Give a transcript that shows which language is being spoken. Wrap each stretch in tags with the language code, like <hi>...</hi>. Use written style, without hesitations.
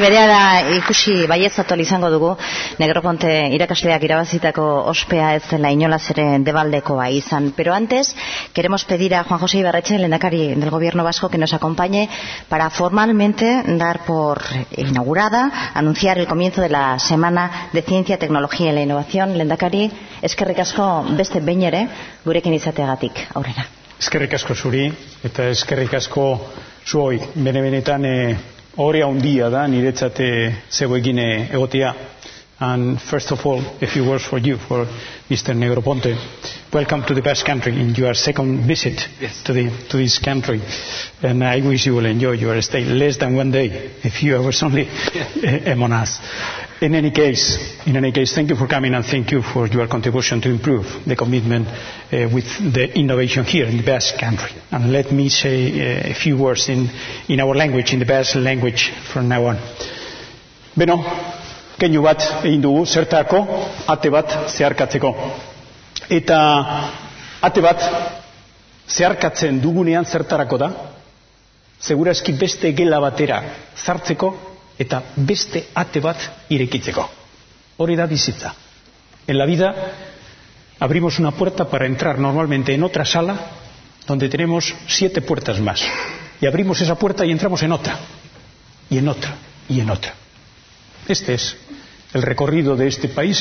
<eu>Berea da ikusi baietzatuel izango dugu Negroponte irakasleak irabazitako ospea ez dela inolaz ere debaldekoa izan.</eu> <es>Pero antes queremos pedir a Juan José Ibarretxe, lehendakari del Gobierno Vasco, que nos acompañe para formalmente dar por inaugurada, anunciar el comienzo de la Semana de Ciencia, Tecnología y la Innovación.</es> <eu>Lehendakari, eskerrik asko beste behin ere gurekin izateagatik. Aurrera. Eskerrik asko zuri eta eskerrik asko zuoi, benetan ohore handia da niretzat zegoekin egotea.</eu> <en>And first of all, a few words for you, for Mr. Negroponte. Welcome to the best country in your second visit. Yes. to this country. And I wish you will enjoy your stay less than one day, a few hours only, among us. In any case, thank you for coming and thank you for your contribution to improve the commitment with the innovation here in the Basque country. And let me say a few words in our language, in the Basque language from now on.</en> <eu>Beno, keinu bat egin dugu zertako ate bat zeharkatzeko. Eta ate bat zeharkatzen dugunean zertarako da? Segurazki beste gela batera zartzeko eta beste ate bat irekitzeko. Hori da bizitza.</eu> <es>En la vida abrimos una puerta para entrar normalmente en otra sala donde tenemos siete puertas más. Y abrimos esa puerta y entramos en otra. Y en otra. Y en otra. Este es el recorrido de este país.</es>